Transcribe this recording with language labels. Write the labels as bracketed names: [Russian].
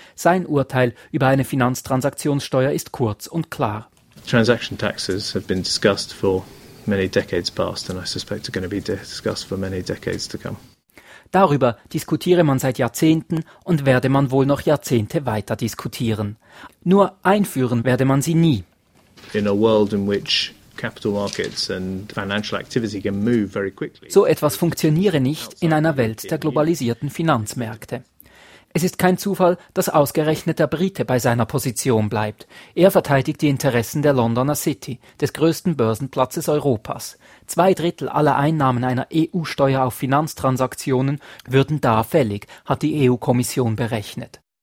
[German] Sein Urteil über eine Finanztransaktionssteuer ist kurz und klar. [English] Transaction taxes have been discussed for many decades past and I suspect are going to be discussed for many decades to come. [German] Darüber diskutiere man seit Jahrzehnten und werde man wohl noch Jahrzehnte weiter diskutieren. Nur einführen werde man sie nie. [English] In a world in which capital markets and financial activity can move very quickly. [German] So etwas funktioniere nicht in einer Welt der globalisierten Finanzmärkte. Es ist kein Zufall, dass ausgerechnet der Brite bei seiner Position bleibt. Er verteidigt die Interessen der Londoner City, des größten Börsenplatzes Europas. Zwei Drittel aller Einnahmen einer EU-Steuer auf Finanztransaktionen würden da fällig, hat die EU-Kommission berechnet.